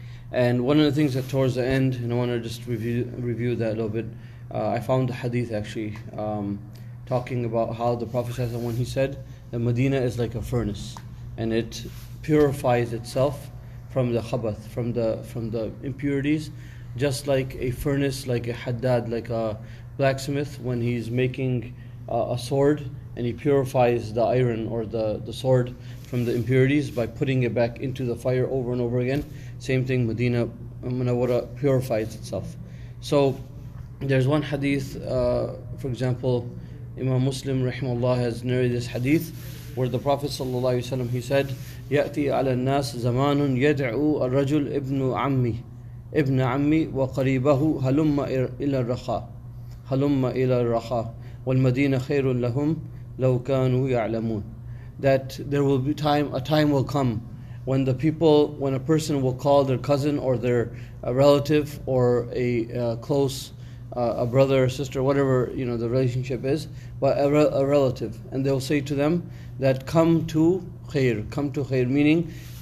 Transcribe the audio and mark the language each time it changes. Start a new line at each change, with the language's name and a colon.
English: And one of the things that towards the end, and I want to just review that a little bit, I found a hadith actually talking about how the Prophet ﷺ, when he said that Medina is like a furnace, and it purifies itself from the khabath, from the impurities, just like a furnace, like a haddad, like a blacksmith when he's making a sword, and he purifies the iron or the sword from the impurities by putting it back into the fire over and over again. Same thing, Medina Munawwara purifies itself. So there's one hadith, for example, Imam Muslim rahimahullah has narrated this hadith where the Prophet sallallahu alaihi wasallam, he said,
Arabic: يَأْتِي عَلَى النَّاسِ زَمَانٌ يَدْعُو الرَّجُلْ إِبْنُ عَمِّي إِبْنَ عَمِّي وَقَرِيبَهُ هَلُمَّ إِلَى الرَّخَى هَلُمَّ إِلَى الرَّخَى وَالْمَدِينَ خَيْرٌ لَهُمْ لَوْ كَانُوا يَعْلَمُونَ.
English: That there will be a time will come when the people, when a person will call their cousin or their relative or a close brother or sister, whatever you know the relationship is, but a relative, and they'll say to them that come to khair, meaning